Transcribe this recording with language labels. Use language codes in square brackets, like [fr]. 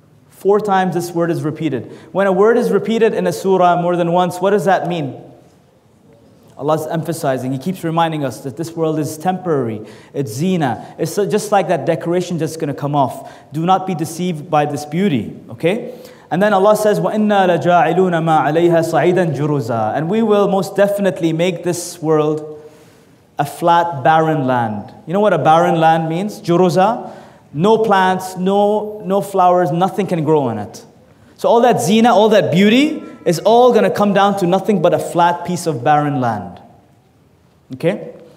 [en] 4 times this word is repeated. When a word is repeated in a surah more than once, what does that mean? Allah's emphasizing, He keeps reminding us that this world is temporary. It's zina. It's just like that decoration just going to come off. Do not be deceived by this beauty. Okay? And then Allah says, [ar] وَإِنَّا لَجَاعِلُونَ مَا عَلَيْهَا صَعِيدًا جُرُزًا. [en] And we will most definitely make this world a flat, barren land. You know what a barren land means? Juruza. No plants, no flowers, nothing can grow on it. So all that zina, all that beauty, is all going to come down to nothing but a flat piece of barren land. Okay?